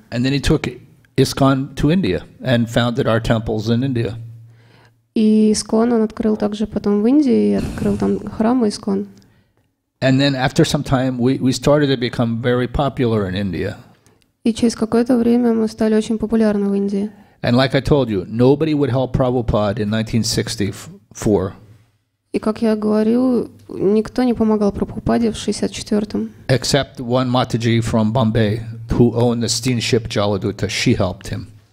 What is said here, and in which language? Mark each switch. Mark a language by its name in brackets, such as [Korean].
[English] And then he took ISKCON to India and founded our temples in India. [Russian] И ISKCON он открыл также потом в Индии и открыл там храмы ISKCON. [English] And then after some time we started to become very popular in India. [Russian] И через какое-то время мы стали очень популярны в Индии. [English] And like I told you, nobody would help Prabhupada in 1964. [Russian] И как я говорил, никто не помогал Прабхупаде в 64-м. [English] Except one Mataji from Bombay, who owned the steamship Jaladuta, she helped him.